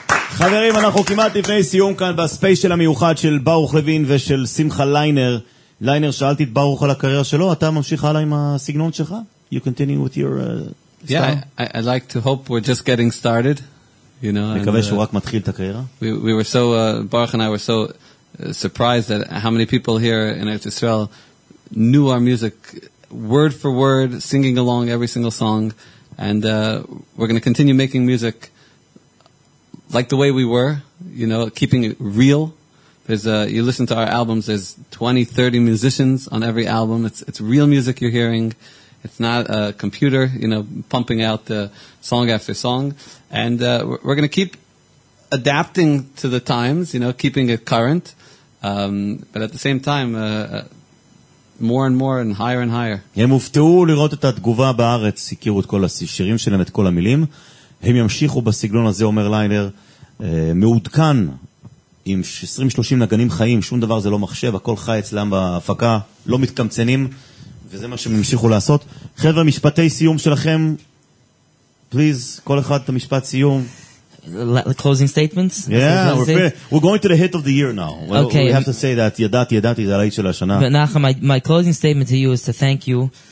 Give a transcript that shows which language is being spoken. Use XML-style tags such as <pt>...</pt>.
<he>חברים, אנחנו כמעט לפני סיום כאן בספיישל המיוחד של ברוך לוין ושל שמחה ליינר. ליינר, שאלתי את ברוך על הקריירה שלו, אתה ממשיך הלאה עם הסגנון שלך?</he> <en>You continue with your style? Yeah, I'd like to hope we're just getting started. You know,</en> <he>מקווה שהוא רק מתחיל את הקריירה.</he> <en>We were so, ברוך and I were so surprised that how many people here in Eretz Israel knew our music word for word, singing along every single song, and we're going to continue making music like the way we were, you know, keeping it real. There's you listen to our albums, there's 20, 30 musicians on every album. It's real music you're hearing. It's not a computer, you know, pumping out song after song. And we're going to keep adapting to the times, you know, keeping it current. But at the same time, more and more and higher and higher.</en> <he>הם הופתעו לראות את התגובה בארץ, הכירו את כל השירים שלהם, את כל המילים. הם ימשיכו בסגנון הזה, אומר ליינר, מעודכן עם 20-30 נגנים חיים, שום דבר זה לא מחשב, הכל חי אצלם בהפקה, לא מתקמצנים, וזה מה שהם ימשיכו לעשות. חבר'ה, משפטי סיום שלכם, פליז, כל אחד את המשפט סיום.</he> <en>Closing statements? Yeah, we're going to the hit of the year now. Well, okay, we have to say that,</en> <he>ידעתי, זה הלהיט של השנה.</he> <en>But Nachum, my closing statement to you is to thank you.</en>